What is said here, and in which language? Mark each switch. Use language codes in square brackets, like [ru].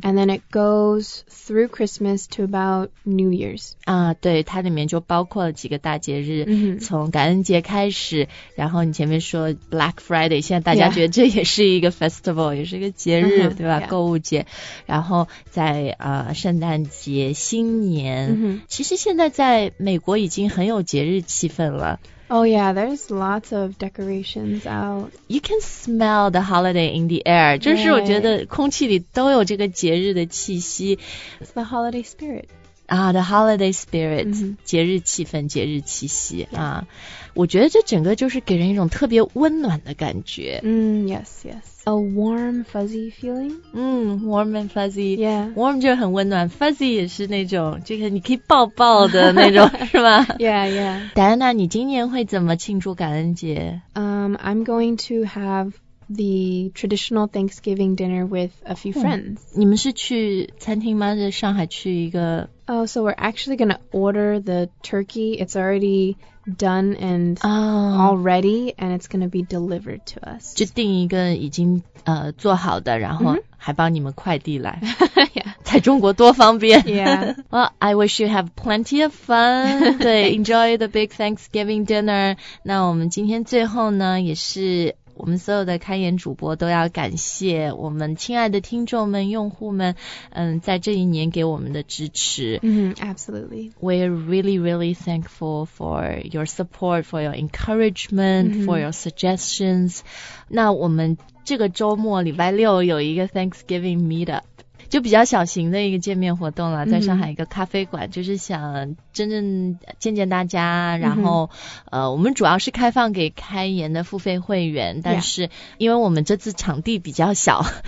[en] and then it goes through Christmas to about New Year's. [zh] 啊、对，它里面就包括了几个大节日， mm-hmm. 从感恩节开始，然后你前面说 Black Friday, 现在大家觉得这也是一个 festival,、 yeah. 也是一个节日，对吧？ Yeah. 购物节，然后在圣诞节、新年， mm-hmm. 其实现在在美国已经很有节日气氛了。 [en] Oh yeah, there's lots of decorations out. You can smell the holiday in the air. [zh] 就是我觉得空气里都有这个节日的气息。 [en] It's the holiday spirit. Ah, the holiday spirit,、mm-hmm. [zh] 节日气氛、节日气息、 [en] yeah. 啊。 [zh] 我觉得这整个就是给人一种特别温暖的感觉。 [en] Yes, yes. A warm, fuzzy feeling. Warm and fuzzy. Yeah. [zh] Warm 就很温暖 ，fuzzy 也是那种，就是你可以抱抱的那种，是吧？Yeah, yeah. 戴安娜，你今年会怎么庆祝感恩节 [en] ？I'm going to have the traditional Thanksgiving dinner with a few friends.、 [zh] 你们是去餐厅吗？在上海去一个 [en] ？Oh, so we're actually going to order the turkey. It's already done and、all ready, and it's going to be delivered to us. [zh] 就订一个已经、做好的，然后还帮你们快递来。 Yeah. 在中国多方便。 Yeah. [en] Well, I wish you have plenty of fun. 对 ，enjoy the big Thanksgiving dinner. [zh] 那我们今天最后呢，也是我们所有的开言主播都要感谢我们亲爱的听众们、用户们，在这一年给我们的支持。 [en] Absolutely. We're really, really thankful for your support, for your encouragement,、for your suggestions. [zh] 那我们这个周末礼拜六有一个 Thanksgiving meetup. 就比较小型的一个见面活动了，在上海一个咖啡馆、就是想真正见见大家，然后、我们主要是开放给开言的付费会员，但是因为我们这次场地比较小、